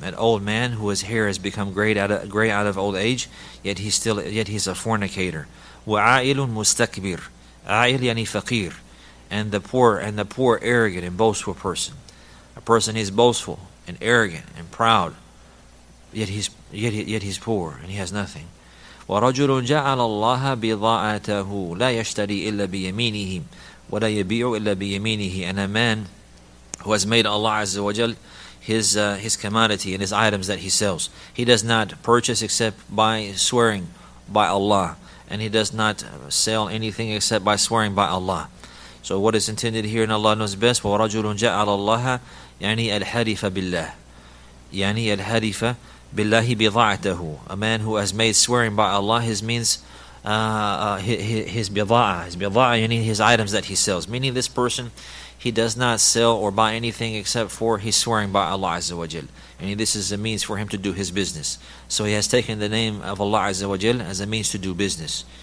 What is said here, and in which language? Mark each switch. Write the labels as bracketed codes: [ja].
[en] An old man who his hair has become gray out of old age, yet he's a fornicator. Wa'ailun mustakbir. A'il yani faqir. And the poor, arrogant and boastful person. A person is boastful and arrogant and proud, yet he's poor and he has nothing. [ar] وَرَجُلٌ جَعَلَ اللَّهَ بِضَاعَتَهُ لَا يَشْتَرِي إِلَّا بِيَمِينِهِ وَلَا يَبِيعُ إِلَّا بِيَمِينِهِ. [en] And a man who has made Allah Azza wa Jal his commodity and his items that he sells. He does not purchase except by swearing by Allah, and he does not sell anything except by swearing by Allah. So what is intended here, and Allah knows best, [ar] وَرَجُلٌ جَعَلَ اللَّهَ يَعْنِي الْحَرِفَ بِاللَّهِ يَعْنِي الْحَرِفَ بِاللَّهِ بِضَاعَتَهُ. [en] A man who has made swearing by Allah, his means, his bida'ah, yani his items that he sells. Meaning this person, he does not sell or buy anything except for he's swearing by Allah Azza wa Jal. And this is a means for him to do his business. So he has taken the name of Allah Azza wa Jal as a means to do business.